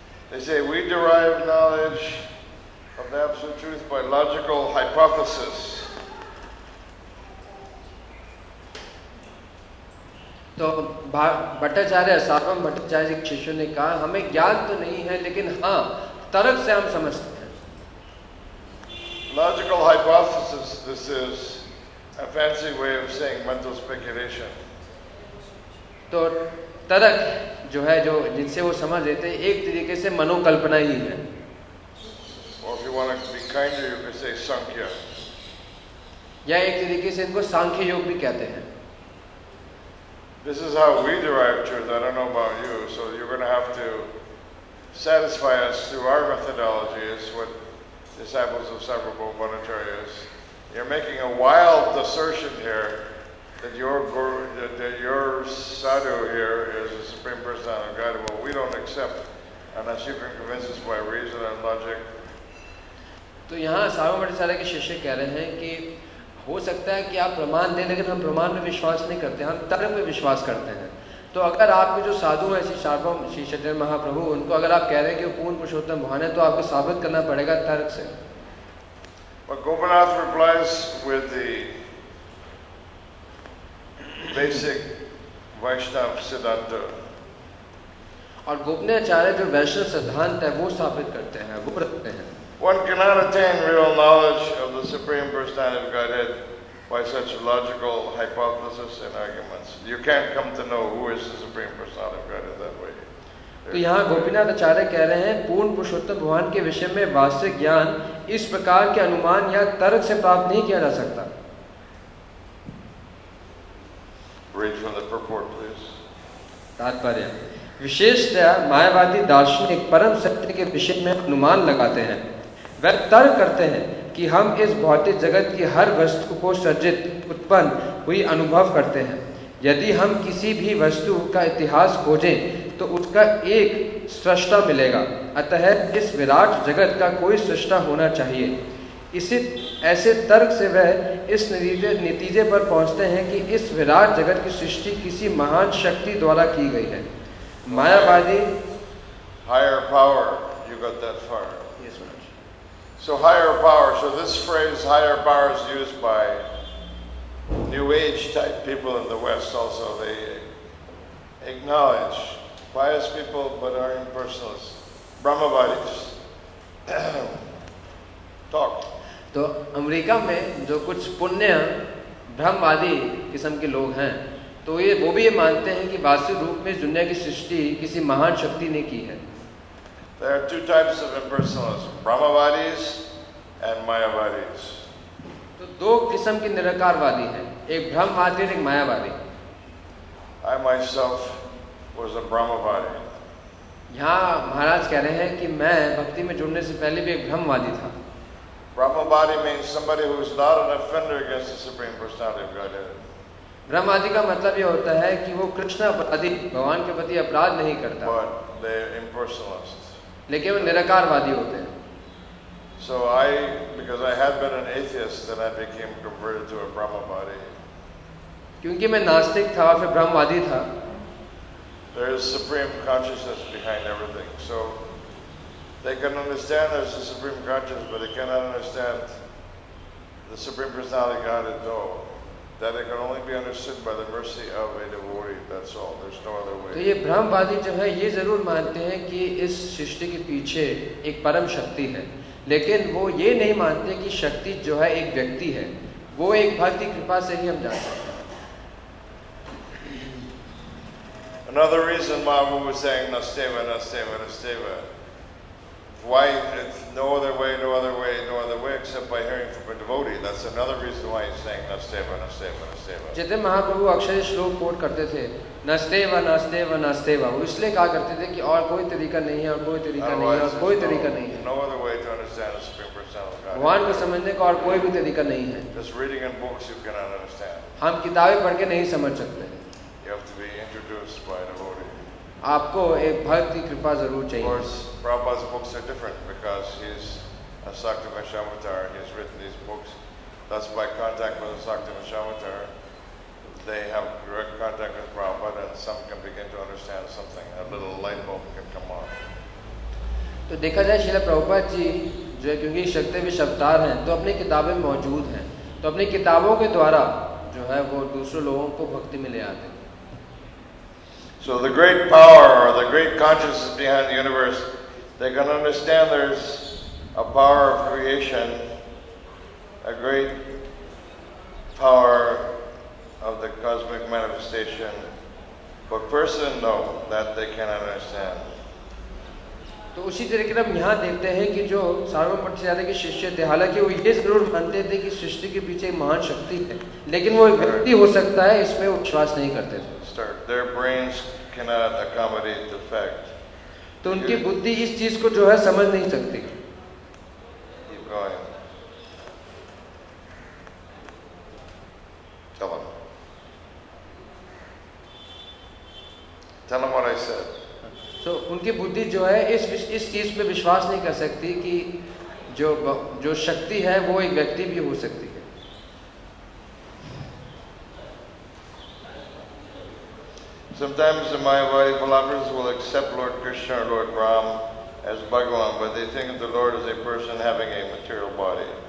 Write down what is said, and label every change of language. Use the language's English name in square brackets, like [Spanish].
[English] They say we derive knowledge of the absolute truth by logical hypothesis. [Hindi] तो भट्टाचार्य सार्वम भट्टाचार्य के शिष्यों ने कहा हमें ज्ञान तो नहीं है लेकिन हाँ तर्क से हम समझते हैं. [English] Logical hypothesis. This is a fancy way of saying mental speculation. [Hindi] तो तर्क जो है जो जिनसे वो समझ लेते हैं एक तरीके से मनोकल्पना ही है. [English] Or if you want to be kinder, you can say sankhya. [Hindi] या एक तरीके से इनको सांख्य योग भी कहते हैं. [English] This is how we derive truth. I don't know about you, so you're going to have to satisfy us through our methodology. Is what disciples of Sarvabhauma Bhattacharya is. You're making a wild assertion here. That your guru, that your sadhu here is the Supreme Personality of Godhead. Well, we don't accept unless you can convince us by reason and logic. [Hindi] तो यहाँ सारों बड़े सारे के शिष्य कह रहे हैं कि हो सकता है कि आप प्रमाण दें लेकिन हम प्रमाण में विश्वास नहीं करते हम तर्क में विश्वास करते हैं. तो अगर आपके जो साधु हैं श्री सार्वभौम श्री चैतन्य महाप्रभु उनको अगर आप कह रहे हैं कि पूर्ण पुरुषोत्तम भगवान है तो आपको साबित करना पड़ेगा तर्क से. [English] But Gopinath replies with the basic Vaishnav Siddhanta. [Hindi] और गोपनाचार्य जो वैष्णव सिद्धांत है वो स्थापित करते हैं वो रखते हैं. [English] One cannot attain real knowledge of the Supreme Personality of Godhead by such logical hypothesis and arguments. You can't come to know who is the Supreme Personality of Godhead that way. [Hindi] तो यहाँ गोपीनाथ आचार्य कह रहे हैं पूर्ण पुरुषोत्तम भगवान के विषय में वास्तविक ज्ञान इस प्रकार के अनुमान या तर्क से प्राप्त नहीं किया जा सकता. [English] Read from the purport, please. [Hindi] तात्पर्य विशेषतः मायावादी दार्शनिक परम सत्य के विषय में अनुमान लगाते हैं वे तर्क करते हैं कि हम इस भौतिक जगत की हर वस्तु को सृजित उत्पन्न हुई अनुभव करते हैं. यदि हम किसी भी वस्तु का इतिहास खोजें तो उसका एक सृष्टा मिलेगा अतः इस विराट जगत का कोई सृष्टा होना चाहिए. इसी ऐसे तर्क से वह इस नतीजे पर पहुंचते हैं कि इस विराट जगत की सृष्टि किसी महान शक्ति द्वारा की गई है. मायावादी [English] higher power, you got that far. Yes, sir. So higher power, so this phrase higher power is used by new age type people in the west also. They acknowledge pious people but are impersonalists, brahmavadis. Talk. [Hindi] तो America में जो कुछ पुण्य ब्रह्मवादी किस्म के लोग हैं तो ये वो भी ये मानते हैं कि वास्तविक रूप में दुनिया की सृष्टि किसी महान शक्ति ने की है. [English] There are two types of impersonalists, Brahmavadis and Mayavadis. [Hindi] तो दो किस्म के निराकारवादी हैं, एक ब्रह्मवादी और एक मायावादी. [English] I myself was a Brahmavadi. [Hindi] यहाँ महाराज कह रहे हैं कि मैं भक्ति में जुड़ने से पहले भी एक ब्रह्मवादी था. [English] Brahmabadi means somebody who is not an offender against the Supreme Personality of Godhead. [Hindi] ब्रह्मादि का मतलब यह होता है कि वो कृष्ण अपराधी भगवान के प्रति अपराध नहीं करता [English] But they're impersonalists. [Hindi] लेकिन वो निराकारवादी होते हैं [English] So I, because I had been an atheist, then I became converted to a Brahmabadi. [Hindi] क्योंकि मैं नास्तिक था फिर ब्रह्मवादी था [English] There is supreme consciousness behind everything. So they can understand there's a supreme consciousness, but they cannot understand the Supreme Personality of God at all. That it can only be understood by the mercy of a devotee. That's all. There's no other way. [Hindi] तो ये ब्रह्मवादी जो है ये जरूर मानते हैं कि इस सृष्टि के पीछे एक परम शक्ति है लेकिन वो ये नहीं मानते कि शक्ति जो है एक व्यक्ति है वो एक भक्ति कृपा से ही हम जानते हैं [English] Another reason Mahaprabhu was saying nasteva, nasteva, nasteva. Why no other way except by hearing from a devotee. That's another reason why he's saying nasteva, nasteva, nasteva. [Hindi] जितने महाप्रभु अक्षय श्लोक पोर्ट करते थे nasteva, nasteva, nasteva. वो इसलिए कहा करते थे कि और कोई तरीका नहीं है और कोई तरीका नहीं है और कोई तरीका नहीं है. [English] No other way to understand the Supreme Personality of God. [Hindi] भगवान को समझने का और कोई भी तरीका नहीं है. [English] Just reading in books you cannot understand. [Hindi] हम किताबें पढ़के नहीं समझ सकते. [English] You have to be introduced by a devotee. [Hindi] आपको एक भक्त की कृपा जरूर चाहिए. [English] Of course, Prabhupada's books are different because he's a Sakta Vaishnavatar. He's written these books. That's by contact with a Sakta Vaishnavatar. They have direct contact with Prabhupada and some can begin to understand something. A little light bulb can come on. [Hindi] तो देखा जाए श्रील प्रभुपाद जी जो है क्योंकि शक्ति wish अवतार हैं तो अपनी किताबें मौजूद हैं तो अपनी किताबों के द्वारा जो है वो दूसरे लोगों को भक्ति में ले आते हैं [English] So the great power, or the great consciousness behind the universe, they can understand there's a power of creation, a great power of the cosmic manifestation. But person, no, that they cannot understand. [Hindi] तो उसी तरीके से हम यहाँ देखते हैं कि जो सार्वभौम प्रतिज्ञा के शिष्य थे हालांकि वो ये जरूर मानते थे कि सृष्टि के पीछे एक महान शक्ति है लेकिन वो एक व्यक्ति हो सकता है इसमें विश्वास नहीं करते थे [English] Their brains cannot accommodate the fact. [Hindi] तो उनकी बुद्धि इस चीज को जो है समझ नहीं सकती [English] Keep going. Tell them what I said. [Hindi] तो उनकी बुद्धि जो है इस चीज पे विश्वास नहीं कर सकती कि जो जो शक्ति है वो एक व्यक्ति भी हो सकती है [English] Sometimes the Mayavadi philosophers will accept Lord Krishna or Lord Ram as Bhagavan but they think of the Lord as a person having a material body